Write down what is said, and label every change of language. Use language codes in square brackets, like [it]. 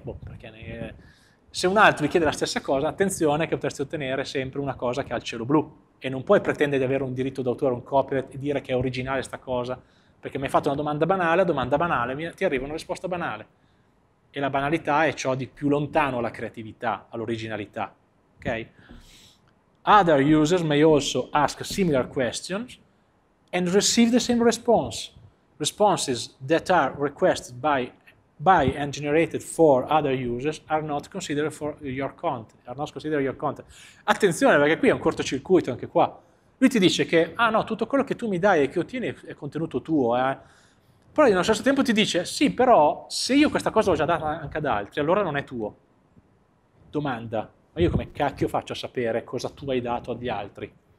[it] Boh, perché... Se un altro vi chiede la stessa cosa, attenzione che potresti ottenere sempre una cosa che ha il cielo blu. E non puoi pretendere di avere un diritto d'autore, un copyright, e dire che è originale sta cosa, perché mi hai fatto una domanda banale, ti arriva una risposta banale. E la banalità è ciò di più lontano alla creatività, all'originalità. Ok? [en] Other users may also ask similar questions and receive the same response. Responses that are requested by and generated for other users are not considered for your content. Are not considered your content. [it] Attenzione, perché qui è un cortocircuito anche qua. Lui ti dice che, ah no, tutto quello che tu mi dai e che ottieni è contenuto tuo, eh. Però allo stesso tempo ti dice, sì, però se io questa cosa l'ho già data anche ad altri, allora non è tuo. Domanda, ma io come cacchio faccio a sapere cosa tu hai dato agli altri?